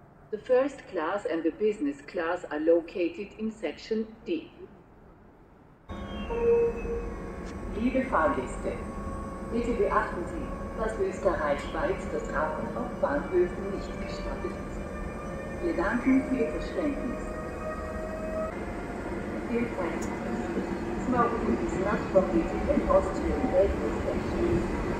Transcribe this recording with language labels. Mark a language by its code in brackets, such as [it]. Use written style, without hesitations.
[en] The First Class and the Business Class are located in Section D. [de] Liebe Fahrgäste, bitte beachten Sie, dass österreichweit das Rauchen auf Bahnhöfen nicht gestattet ist. Wir danken für Ihr Verständnis. [en] Dear friends, smoking is not permitted in Austrian railway stations.